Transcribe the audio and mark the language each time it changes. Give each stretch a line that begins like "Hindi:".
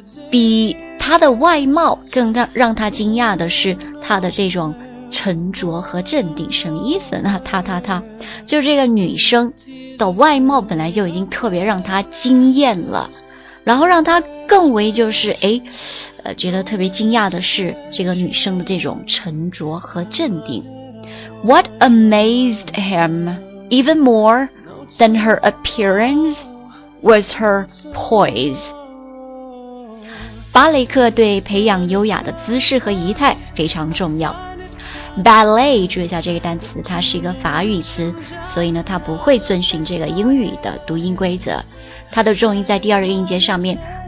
Chinese: 比他的外貌更让他惊讶的是他的这种沉着和镇定。什么意思呢？他就是这个女生的外貌本来就已经特别让他惊艳了，然后让他更为就是觉得特别惊讶的是这个女生的这种沉着和镇定。
English: What amazed him even more than her appearanceWas her poise.
Chinese: 芭蕾课对培养优雅的姿势和仪态非常重要。 Ballet， 注意一下这个单词，它是一个法语词，所以呢，它不会遵循这个英语的读音规则。它的重音在第二个音节上面。